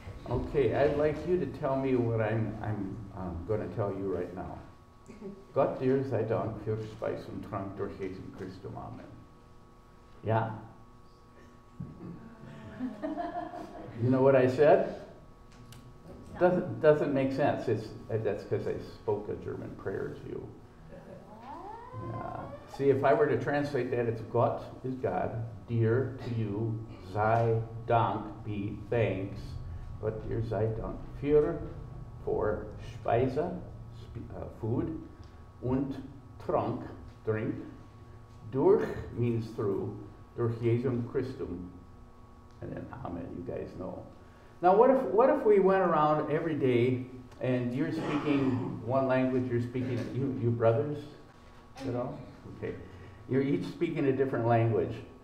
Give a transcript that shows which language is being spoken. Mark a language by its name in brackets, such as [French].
[English] Okay, I'd like you to tell me what I'm going to tell you right now. [German] Gott dir sei Dank für Speis und Trank durch Jesus Christus. [English] Amen. Yeah? You know what I said? Doesn't make sense. That's because I spoke a German prayer to you. Yeah. See, if I were to translate that, it's Gott is God, dir to you, sei Dank, be thanks. But [German] dir sei Dank für Speise, [English] food, und Trank, drink. Durch means through, [German] durch Jesum Christum, [English] and then Amen, you guys know. Now what if we went around every day and you're speaking one language, you're speaking, you brothers, you know? Okay, you're each speaking a different language.